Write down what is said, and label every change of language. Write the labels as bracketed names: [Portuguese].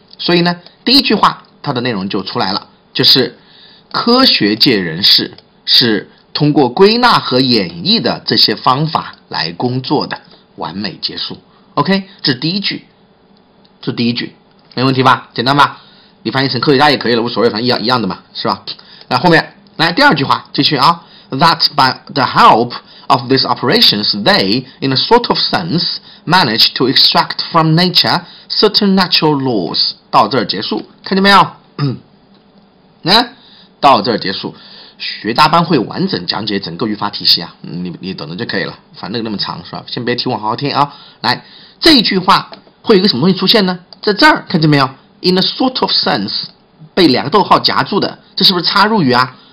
[Chinese] 所以呢第一句话它的内容就出来了，就是科学界人士是通过归纳和演绎的这些方法来工作的，完美结束。 OK， 这是第一句，是第一句，没问题吧？简单吧？你翻译成科学家也可以了，无所谓，反正一样的嘛，是吧？来，后面来第二句话，继续啊。 [English] That by the help of these operations, they, in a sort of sense, manage to extract from nature certain natural laws. [Chinese] 到这儿结束，看见没有？嗯，到这儿结束。学渣班会完整讲解整个语法体系啊，你等着就可以了，反正那么长，是吧？先别提，我好好听啊。来，这一句话。会有一个什么东西出现呢？在这儿，看见没有 ？ [English] In a sort of sense， [Chinese] 被两个逗号夹住的，这是不是插入语啊？